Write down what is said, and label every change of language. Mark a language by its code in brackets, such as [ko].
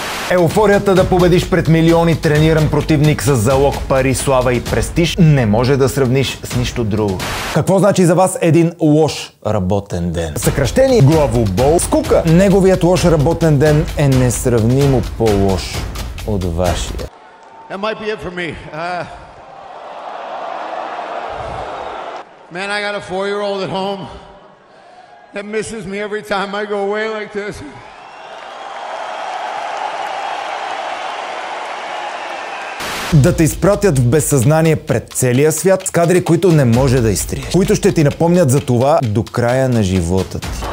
[bg] Еуфорията да победиш пред милиони трениран противник с залог пари, слава и престиж не може да сравниш с нищо друго. Какво значи за вас един лош работен ден? Съкращение, главобол, скука. Неговият лош работен ден е несравнимо по-лош от вашия. [en] That might be it for me. Man, I got a 4-year-old at home that misses me every time I go away like this. [bg] Да те изпратят в безсъзнание пред целия свят с кадри, които не може да изтриеш. Които ще ти напомнят за това до края на живота ти.